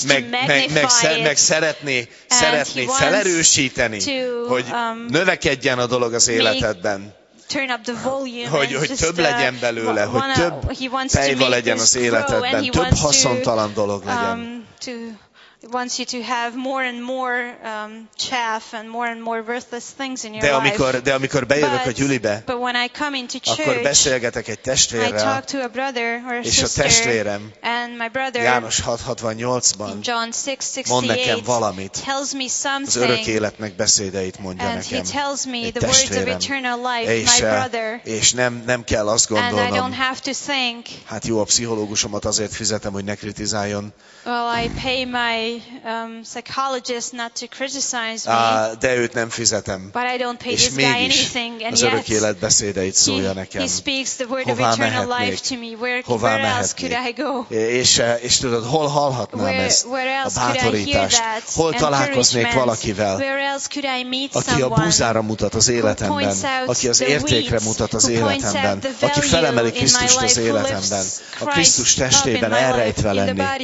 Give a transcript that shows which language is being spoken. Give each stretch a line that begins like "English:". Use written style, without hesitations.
Hungarian: Meg szeretné felerősíteni, hogy növekedjen a dolog az életedben.
English: Turn up the volume,
Hungarian: hogy több legyen belőle, hogy több pejva legyen az életedben, több haszontalan dolog legyen.
English: wants you to have more and more chaff and more worthless things in your life.
Hungarian: De amikor bejövök a gyülibe,
English: but when I come into church,
Hungarian: akkor beszélgetek egy testvérrel,
English: I talk to a brother or a
Hungarian: és
English: sister,
Hungarian: a testvérem,
English: and my brother,
Hungarian: János 6:68-ban,
English: John 6:68,
Hungarian: mond nekem valamit,
English: tells me something,
Hungarian: az örök életnek beszédeit mondja
English: and
Hungarian: nekem,
English: he tells me
Hungarian: egy
English: the
Hungarian: testvérem,
English: words of eternal life, és, my brother,
Hungarian: és nem kell azt gondolnom,
English: and I don't have to think,
Hungarian: hát jó, a pszichológusomat azért fizetem, hogy ne kritizáljon.
English: Well, I pay my psychologist not to criticize me.
Hungarian: De őt nem fizetem.
English: But I don't pay this guy anything, and yet.
Hungarian: Örök élet beszédeit szólja nekem.
English: He speaks the word of eternal life to me. Where else could I go?
Hungarian: És tudod, hol hallhatnám ezt?
English: Where else could I hear that?
Hungarian: Hol találkoznék valakivel?
English: Where else could I meet someone?
Hungarian: Aki a búzára mutat az életemben, aki az értékre mutat az életemben, aki felemeli Krisztust az életemben, a Krisztus testében elrejtve lenni.